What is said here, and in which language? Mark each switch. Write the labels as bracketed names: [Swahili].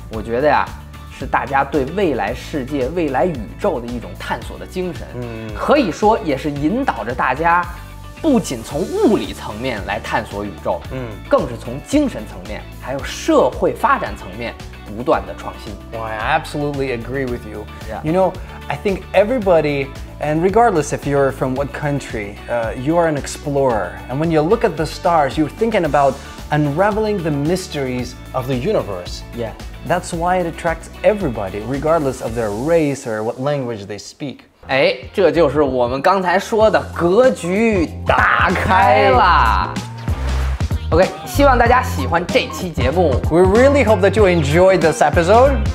[Chinese] 我觉得呀是大家对未来世界未来宇宙的一种探索的精神可以说也是引导着大家不仅从物理层面来探索宇宙更是从精神层面还有社会发展层面不断的创新 [English] Well, I absolutely agree with you、yeah. You know, I think everybody And regardless if you're from what country、you are an explorer And when you look at the stars You're thinking about unraveling the mysteries of the universe Yeah That's why it attracts everybody, regardless of their race or what language they speak. [Chinese] 哎，这就是我们刚才说的格局打开了。OK, 希望大家喜欢这期节目。 [English] We really hope that you enjoyed this episode.